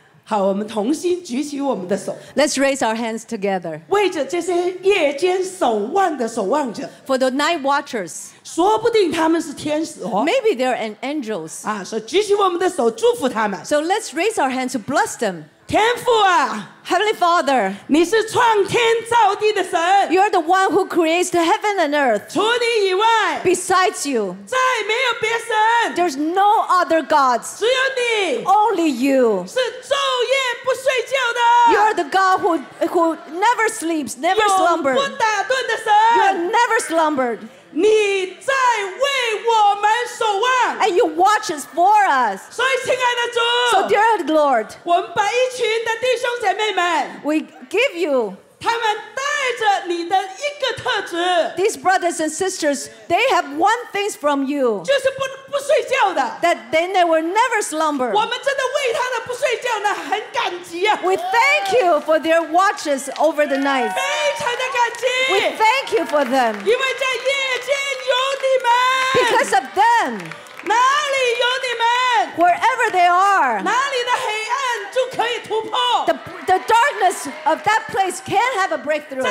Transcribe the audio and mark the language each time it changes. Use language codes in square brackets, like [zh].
[zh] 好，我们同心举起我们的手。 [en] Let's raise our hands together. [zh] 为着这些夜间守望的守望者。 [en] For the night watchers. [zh] 说不定他们是天使哦。 [en] Maybe they're an angels. [zh] 啊，所以举起我们的手祝福他们。 [en] So let's raise our hands to bless them. [zh] 天父啊。 [en] Heavenly Father, [zh] 你是创天造地的神。 [en] You are the one who creates the heaven and earth. [zh] 除你以外 [en] ，besides you， [zh] 再没有别神。 [en] There's no other gods. [zh] 只有你 [en] ，only you， [zh] 是昼夜不睡觉的。 [en] You are the God who never sleeps, never slumbers. [zh] 永不打盹的神。 [en] You are never slumbered. [zh] 你在为我们守望。 [en] And you watches for us. [zh] 所以，亲爱的主 [en] ，So dear Lord， [zh] 我们把一群的弟兄姐妹。 [en] We give you. [zh] 他们带着你的一个特质 [en] These brothers and sisters, they have one thing from you. [zh] 就是不睡觉的 [en] That then they will never slumber. [zh] 我们真的为他的不睡觉呢很感激啊 [en] We thank you for their watches over the night. [zh] 非常的感激 [en] We thank you for them. [zh] 因为在夜间有你们 [en] Because of them. [zh] 哪里有你们 [en] ？Wherever they are， [zh] 哪里的黑暗就可以突破。 [en] The darkness of that place can have a breakthrough。